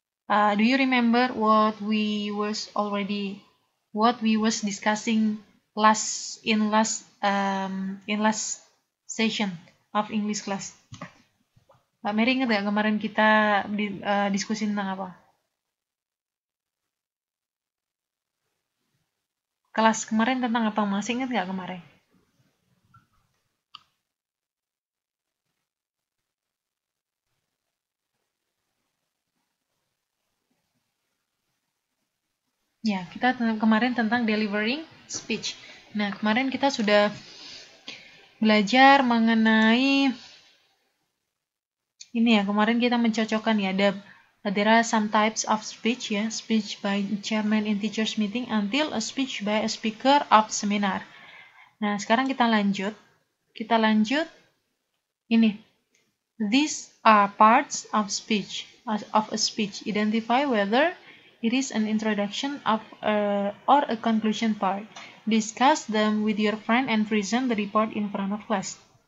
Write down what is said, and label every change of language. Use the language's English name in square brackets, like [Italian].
[English] Do you remember what we was discussing last session of English class? [Indonesian] Mbak Mary ingat nggak kemarin kita diskusi tentang apa? Kelas kemarin tentang apa? Masih ingat nggak kemarin? Ya, kita kemarin tentang delivering speech. Nah, kemarin kita sudah belajar mengenai ini ya, kemarin kita mencocokkan ya, ada there are some types of speech, ya. [English] Speech by chairman in teachers meeting until a speech by a speaker of seminar. [Indonesian] Nah, sekarang kita lanjut. Kita lanjut. Ini. [English] These are parts of speech, of a speech. Identify whether it is an introduction of or a conclusion part. Discuss them with your friend and present the report in front of class.